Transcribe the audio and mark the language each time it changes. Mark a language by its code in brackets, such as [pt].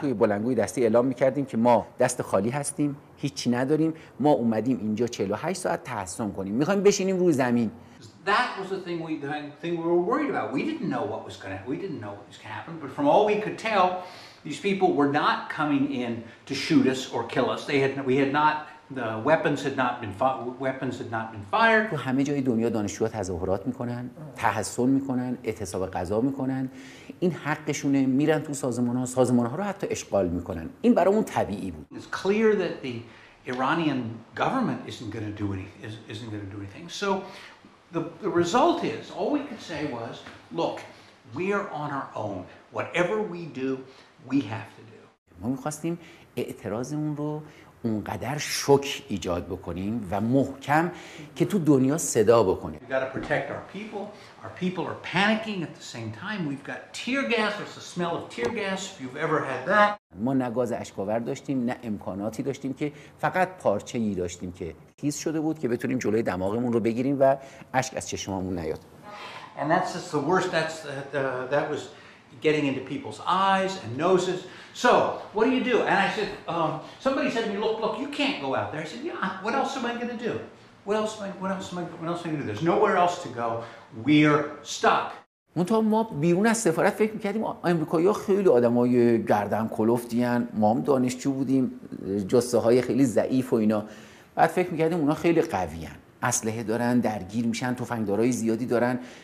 [fa] توی بلنگوی دستی اعلام می‌کردیم که ما دست خالی هستیم، هیچی نداریم. ما اومدیم اینجا 48 ساعت تحصن کنیم. می‌خوایم بشینیم روی زمین. [en] That was the thing we were worried about. We didn't know what was going to happen, but from all we could tell, these people were not coming in to shoot us or kill us. The weapons had not been fired. [fa] تو همه جای دنیا دانشجوها تظاهرات میکنن، تحصن میکنن، اعتصاب غذا میکنن. این حقشونه، میرن تو سازمانها، سازمانها رو حتی اشغال میکنن. این برامون طبیعی بود. [en] It's clear that the Iranian government isn't going to do anything. So the result is, all we could say was, look, we are on our own. Whatever we do, we have to do. [fa] ما میخواستیم اعتراضمون رو اونقدر شوک ایجاد بکنیم و محکم که تو دنیا صدا بکنه. [en] We've got to protect our people. Our people are panicking at the same time. We've got tear gas. There's the smell of tear gas, if you've ever had that. [fa] ما نه گاز اشک‌آور داشتیم، نه امکاناتی داشتیم که فقط پارچه‌ای داشتیم که خیس شده بود که بتونیم جلوی دماغمون رو بگیریم و اشک از چشممون نیاد. [en] And that's just the worst. That was getting into people's eyes and noses. So, what do you do? And I said, somebody said to me, look, you can't go out there. I said, yeah, what else am I going to do? What else am I going to do? There's nowhere else to go. We're stuck. [fa] من تا ما بیرون از سفارت فکر میکردیم آمریکایی‌ها خیلی آدمای گردن کلفتین، ما هم دانشجو بودیم، جثه‌های خیلی ضعیف و اینا. بعد فکر میکردیم اونا خیلی قوین، اسلحه دارن، درگیر میشن، تفنگدارای زیادی دارن.